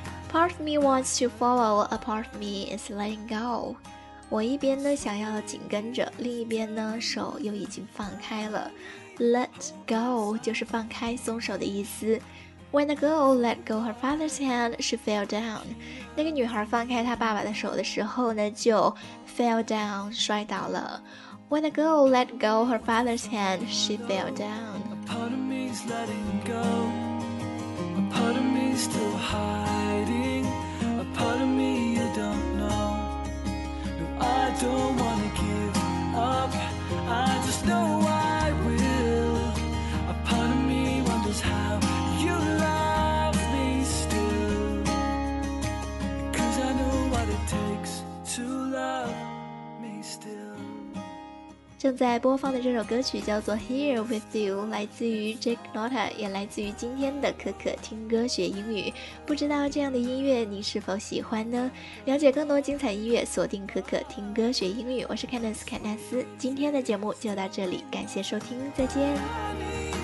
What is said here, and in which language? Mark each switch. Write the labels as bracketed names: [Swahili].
[English] Part of me wants to follow, a part of me is letting go. [Chinese] 我一边呢想要紧跟着，另一边呢手又已经放开了。 Let go 就是放开松手的意思。 [English] When the girl let go her father's hand, she fell down. [Chinese] 那个女孩放开她爸爸的手的时候呢就 [English] fell down, [Chinese] 摔倒了。 [English] When the girl let go her father's hand, she fell down. A part of me is letting go. Part of me still hiding, a part of me you don't know. No, I don't wanna give up, I just know I will. A part of me wonders how you love me still. Cause I know what it takes to love me still. [Chinese] 正在播放的这首歌曲叫做 Here With You, 来自于 Jake Nauta, 也来自于今天的可可听歌学英语。不知道这样的音乐您是否喜欢呢？了解更多精彩音乐，锁定可可听歌学英语。我是 Candice 凯纳斯，今天的节目就到这里，感谢收听，再见。